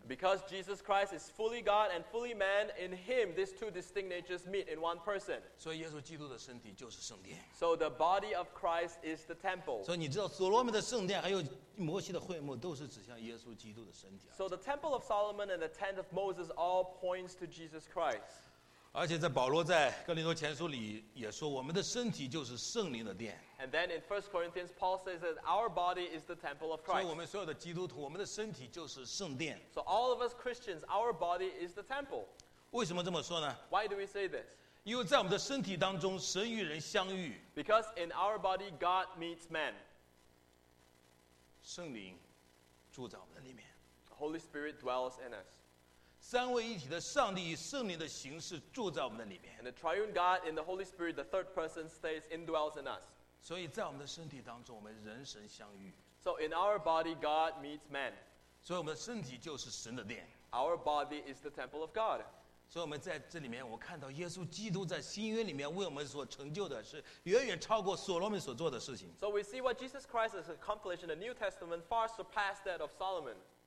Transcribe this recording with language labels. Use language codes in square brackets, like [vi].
[en] Because Jesus Christ is fully God and fully man, in him these two distinct natures meet in one person. [zh] 所以耶稣基督的身体就是圣殿。 [en] So the body of Christ is the temple. [zh] 所以你知道所罗门的圣殿还有摩西的会幕都是指向耶稣基督的身体。 [en] So the temple of Solomon and the tent of Moses all points to Jesus Christ. [zh] 而且在保罗在哥林多前书里也说，我们的身体就是圣灵的殿。 [en] And then in 1 Corinthians, Paul says that our body is the temple of Christ. [zh] 所以我们所有的基督徒，我们的身体就是圣殿。 [en] So all of us Christians, our body is the temple. [zh] 为什么这么说呢？ [en] Why do we say this? [zh] 因为在我们的身体当中，神与人相遇。 [en] Because in our body, God meets man. [zh] 圣灵住在我们的里面。 [en] The Holy Spirit dwells in us. [zh] 三位一体的上帝以圣灵的形式住在我们的里面。 [en] And the triune God in the Holy Spirit, the third person stays, indwells in us. [zh] 所以在我们的身体当中，我们人神相遇。 [en] So in our body, God meets man. [zh] 所以我们的身体就是神的殿。 [en] Our body is the temple of God. [zh] 所以我们在这里面，我看到耶稣基督在新约里面为我们所成就的是远远超过所罗门所做的事情。 [en] So we see what Jesus Christ has accomplished in the New Testament far surpassed that of Solomon.